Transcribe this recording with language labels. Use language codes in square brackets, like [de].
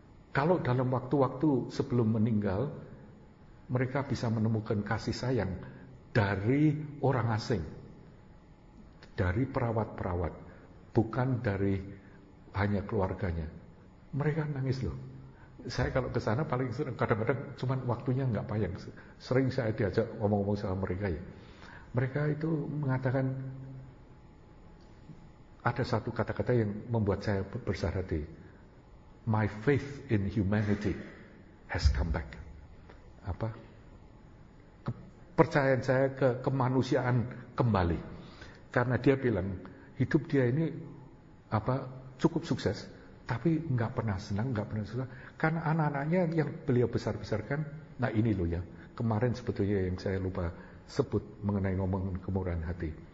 [id] Kalau dalam waktu-waktu sebelum meninggal mereka bisa menemukan kasih sayang dari orang asing, dari perawat-perawat, bukan dari hanya keluarganya. Mereka nangis loh. Saya kalau ke sana paling sering, kadang-kadang cuman waktunya enggak payah. Sering saya diajak ngomong-ngomong sama mereka ya. Mereka itu mengatakan ada satu kata-kata yang membuat saya berbesar hati. [en] My faith in humanity has come back. [id] Apa? Kepercayaan saya ke kemanusiaan kembali. Karena dia bilang hidup dia ini apa cukup sukses, tapi nggak pernah senang, nggak pernah susah. Karena anak-anaknya yang beliau besar-besarkan, nah ini loh ya, kemarin sebetulnya yang saya lupa sebut mengenai ngomong kemurahan hati.